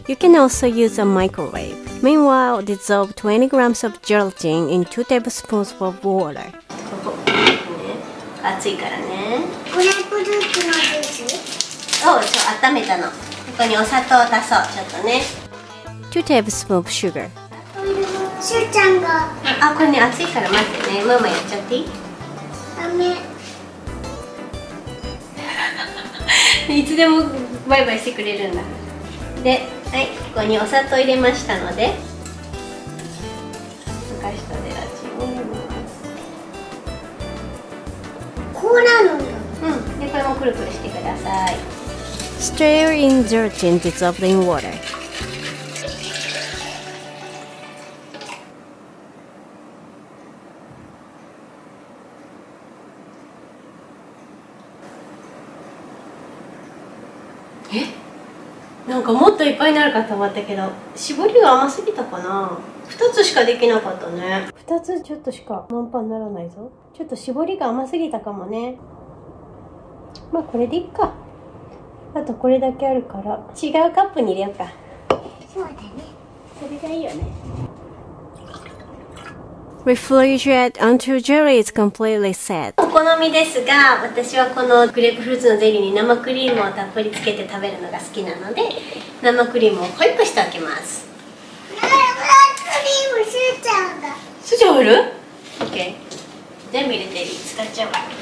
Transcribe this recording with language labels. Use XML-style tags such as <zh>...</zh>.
<en>You can also use a microwave. Meanwhile, dissolve 20 grams of gelatin in 2 tablespoons of water.</en> <ja>ここ、ね、熱いからね。グレープフルーツのジュース。おう、ちょっと温めたの。ここにお砂糖を足そう。ちょっとね、</ja> <en>2 tablespoons of sugar.</en> <ja>シュウちゃんが、あ、これね、熱いから待ってね。ママやっちゃっていい？ダメ。いつでもバイバイしてくれるんだ。で、はい、ここにお砂糖入れましたので、溶かしたゼラチンを入れます。こうなるんだ。うん、で、これもくるくるしてください。</ja> <en>Stir in gelatin dissolved in water.</en> <ja>なんかもっといっぱいになるかと思ったけど、絞りが甘すぎたかな。 2つしかできなかったね。 2つちょっとしか満杯にならないぞ。ちょっと絞りが甘すぎたかもね。まあこれでいっか。あとこれだけあるから違うカップに入れようか。そうだね、それがいいよね。</ja> <en>Refrigerate until jelly is completely set.</en> <ja>お好みですが、私はこのグレープフルーツのゼリーに生クリームをたっぷりつけて食べるのが好きなので、生クリームをホイップしておきます。生クリーム、しゅーちゃんが。しゅーちゃん入る？オッケー。全部入れて、使っちゃおう。</ja>